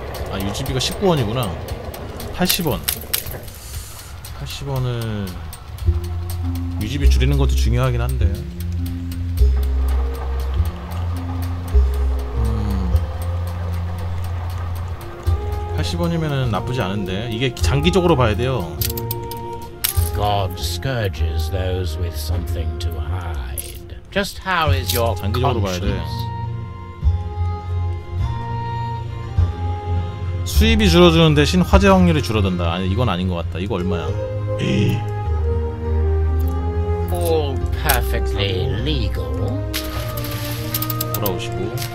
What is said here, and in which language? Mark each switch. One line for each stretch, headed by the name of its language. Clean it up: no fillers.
Korean: 아 유지비가 19원이구나. 80원. 80원을 유지비 줄이는 것도 중요하긴 한데. 80원이면은 나쁘지 않은데. 이게 장기적으로 봐야 돼요.
English: God scourges those with something to hide. Just how is your
Korean: 장기적으로 봐야 돼. 수입이 줄어드는 대신 화재 확률이 줄어든다. 아니 이건 아닌 것 같다. 이거 얼마야?
English: All perfectly legal.
Korean: 돌아오시고.